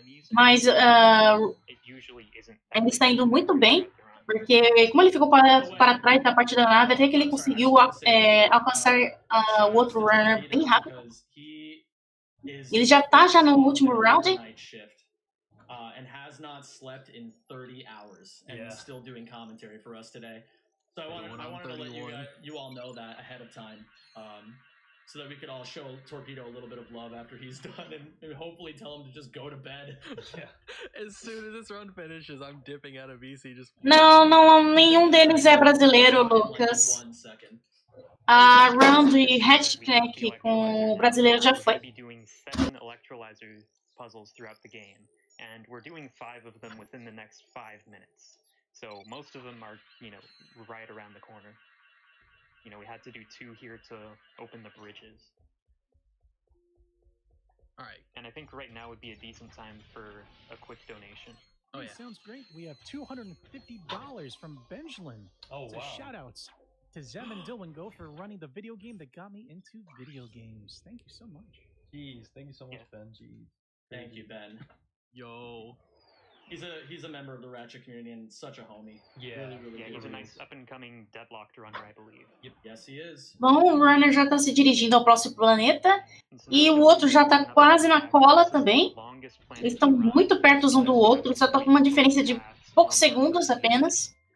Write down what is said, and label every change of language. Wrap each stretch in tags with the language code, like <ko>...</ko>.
<pt>Mas ele está indo muito bem, porque como ele ficou para trás da parte da nave, até que ele conseguiu alcançar o outro runner bem rápido. Ele já está no último round.</pt> <en>And has not slept in 30 hours and is still doing commentary for us today. So I wanted to let you all know that ahead of time, so that we could all show Torpedo a little bit of love after he's done and hopefully tell him to just go to bed. Yeah. As soon as this round finishes, I'm dipping out of VC. Just</en> <pt>no, nenhum deles é brasileiro, Lucas. A round de hatchback com o brasileiro já foi.</pt> <en>Be doing 7 electrolyzer puzzles throughout the game. And we're doing 5 of them within the next 5 minutes. So most of them are, you know, right around the corner. You know, we had to do 2 here to open the bridges. All right. And I think right now would be a decent time for a quick donation. Oh, yeah. Sounds great. We have $250 from Benjamin. Oh, wow. Shout outs. to Zem and Dylan Go for running the video game that got me into video games. Thank you so much. Jeez, thank you so much, Ben. Jeez. Thank you, Ben. Yo. He's a member of the Ratchet community and such a homie. Yeah, really he's a nice up-and-coming deadlocked runner, I believe. Yes, he is.</en> <pt>Bom, o runner já tá se dirigindo ao próximo planeta, e o outro já tá quase na cola também. Eles estão muito perto um do outro, só tá com uma diferença de poucos segundos apenas.</pt>